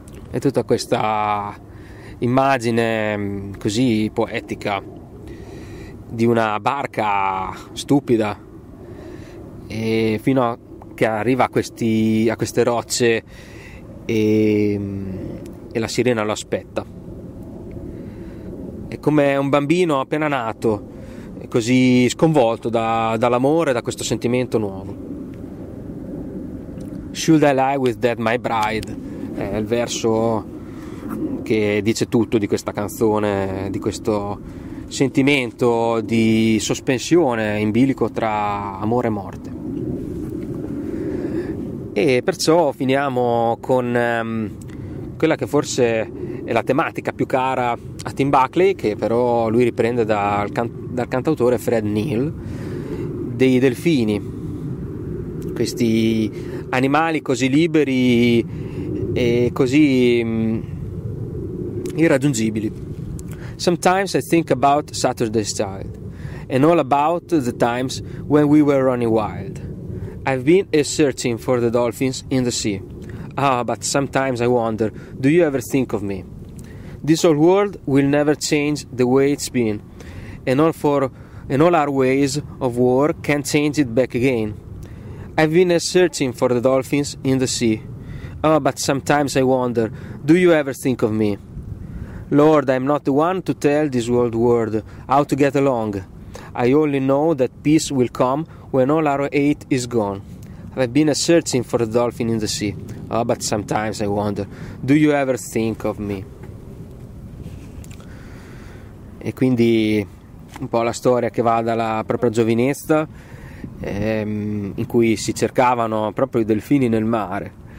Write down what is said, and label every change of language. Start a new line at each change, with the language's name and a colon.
Italian: E tutta questa immagine così poetica di una barca stupida, e fino a che arriva a queste rocce e la sirena lo aspetta. È come un bambino appena nato, così sconvolto dall'amore, da questo sentimento nuovo.
English: Should I lie with that my bride?
Italian: È il verso che dice tutto di questa canzone, di questo sentimento di sospensione in bilico tra amore e morte. E perciò finiamo con quella che forse è la tematica più cara a Tim Buckley, che però lui riprende dal cantautore Fred Neil, dei delfini, questi animali così liberi e così irraggiungibili.
English: Sometimes I think about Saturday's Child and all about the times when we were running wild. I've been searching for the dolphins in the sea. Ah, but sometimes I wonder, do you ever think of me? This old world will never change the way it's been, and all our ways of war can change it back again. I've been searching for the dolphins in the sea. Ah, but sometimes I wonder, do you ever think of me? Lord, I'm not the one to tell this old world how to get along. I only know that peace will come when all our hate is gone. I've been searching for the dolphin in the sea. Oh, but sometimes I wonder, do you ever think of me?
Italian: E quindi un po' la storia che va dalla propria giovinezza, in cui si cercavano proprio i delfini nel mare,